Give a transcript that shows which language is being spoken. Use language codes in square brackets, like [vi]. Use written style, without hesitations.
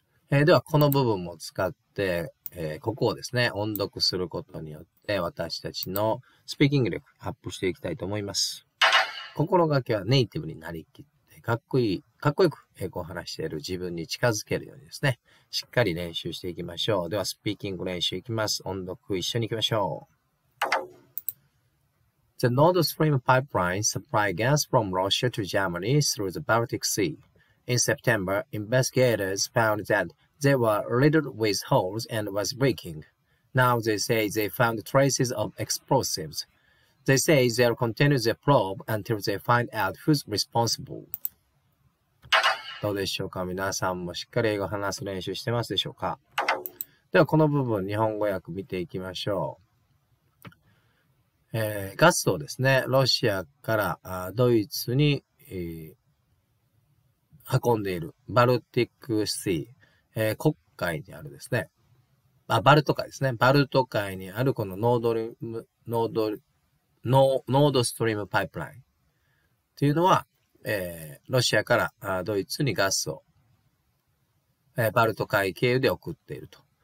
[ja] では、この部分も使って、ここをですね、音読することによって、私たちのスピーキング力アップしていきたいと思います。心がけはネイティブになりきって、かっこいい。かっこよく英語を話している自分に近づけるようにですね、しっかり練習していきましょう。では、スピーキング練習いきます。音読一緒に行きましょう。 [en] The Nord Stream pipeline supplied gas from Russia to Germany through the Baltic Sea. In September, investigators found that they were riddled with holes and was leaking. Now they say they found traces of explosives. They say they'll continue their probe until they find out who's responsible. [ja] どうでしょうか。皆さんもしっかり英語話す練習してますでしょうか。ではこの部分日本語訳見ていきましょう。ガスをですね、ロシアからドイツに、運んでいるバルティックシー、黒海にあるですね、バルト海ですね、バルト海にあるこのノードストリームパイプラインというのは、ロシアからドイツにガスを、バルト海経由で送っていると。